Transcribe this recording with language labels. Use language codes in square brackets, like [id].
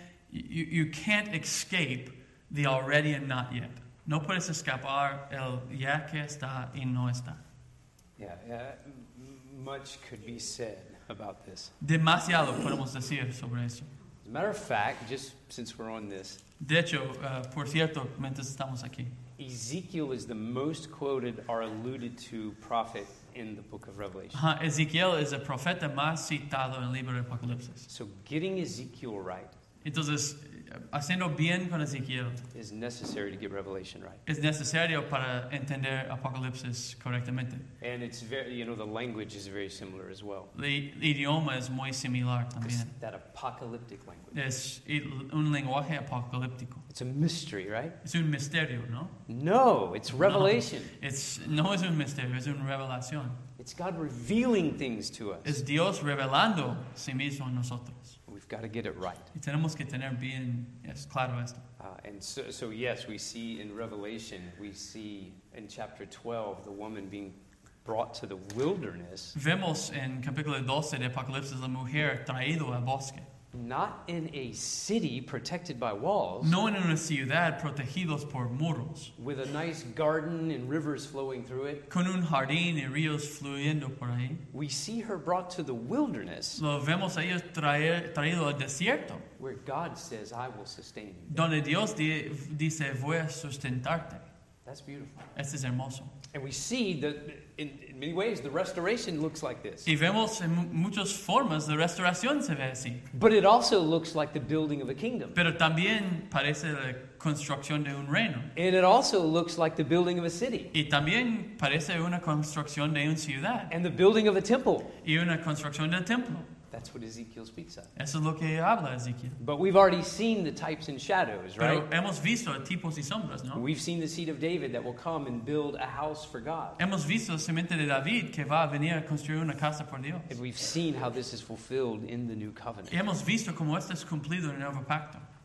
[en] You can't escape the already and not yet. [es] No puedes escapar el ya que está y no está. [en] Yeah, much could be said about this. [es] Demasiado podemos decir sobre eso. [en] As a matter of fact, just since we're on this. [es] De hecho, por cierto, mientras estamos aquí. [en] Ezekiel is the most quoted or alluded to prophet in the book of Revelation. [es] Ezekiel es el profeta más citado en el libro de Apocalipsis. [en] So getting Ezekiel right. [es] Entonces, haciendo bien con Ezequiel [en] is necessary to get Revelation right. [es] Es necesario para entender Apocalipsis correctamente. [en] And it's very, you know, the language is very similar as well. [es] El idioma es muy similar también. [en] That apocalyptic language. [es] Es un lenguaje apocalíptico. [en] It's a mystery, right? [es] Es un misterio, ¿no? [en] No, it's Revelation. [es] No, es un misterio, es una revelación. [en] It's God revealing things to us. [es] Es Dios revelando sí mismo a nosotros. [en] We've got to get it right. [es] Y tenemos que tener bien, yes, claro esto. [en] And so yes, we see in Revelation, we see in chapter 12 the woman being brought to the wilderness. [es] Vemos en capítulo 12 de Apocalipsis la mujer traída al bosque. [en] Not in a city protected by walls. [es] No en una ciudad protegidos por muros. [en] With a nice garden and rivers flowing through it. [es] Con un jardín y ríos fluyendo por ahí. [en] We see her brought to the wilderness. [es] Lo vemos a ella traído al desierto. [en] Where God says, "I will sustain you." [es] Donde Dios dice, "Voy a sustentarte." [en] That's beautiful. [es] Este es hermoso. [en] And we see that in many ways the restoration looks like this. [es] Y vemos en muchas formas la restauración se ve así. [en] But it also looks like the building of a kingdom. [es] Pero también parece la construcción de un reino. [en] And it also looks like the building of a city. [es] Y también parece una construcción de una ciudad. [en] And the building of a temple. [es] Y una construcción del templo. [en] That's what Ezekiel speaks of. [es] Eso es lo que habla Ezequiel. [en] But we've already seen the types and shadows, right? [es] Pero hemos visto tipos y sombras, ¿no? [en] We've seen the seed of David that will come and build a house for God. [es] Hemos visto la simiente de David que va a venir a construir una casa por Dios. [en] And we've seen how this is fulfilled in the new covenant. [es] Y hemos visto cómo esto es cumplido en el nuevo pacto.